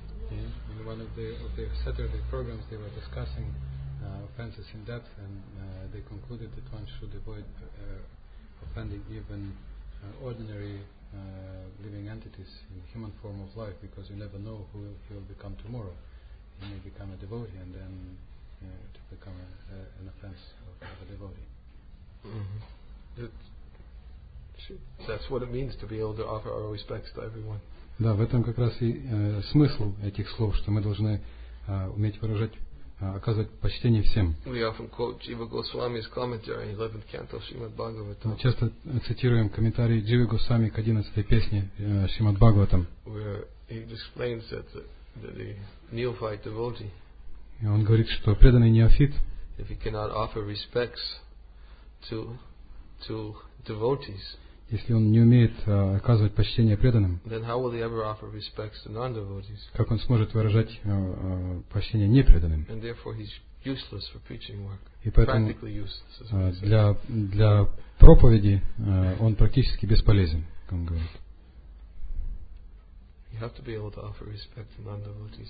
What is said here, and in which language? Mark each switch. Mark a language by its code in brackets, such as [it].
[en] In one of the Saturday programs, they were discussing offenses in depth, and they concluded that one should avoid offending even ordinary living entities in human form of life, because you never know who he will become tomorrow. He may become a devotee, and then to become an offense of a devotee. That's what it means to be able to offer our respects to everyone. [ru] Да, в этом как раз и смысл этих слов, что мы должны уметь выражать, оказывать почтение всем. [en] We often quote Jiva Goswami's commentary in 11th canto of Srimad Bhagavatam. [ru] Мы часто цитируем комментарий Дживы Госвами к 11-й песне Шримад Бхагаватам. [en] Where he explains that the neophyte devotee. [ru] И он говорит, что преданный неофит. [en] If he cannot offer respects to devotees. [ru] Если он не умеет оказывать почтение преданным, [en] then how will he ever offer respects to non-devotees? [ru] Как он сможет выражать почтение непреданным? [en] And therefore he's useless for preaching work. [ru] И поэтому [en] practically useless, as [ru] для проповеди он практически бесполезен, как он говорит. [en] You have to be able to offer respect to non-devotees.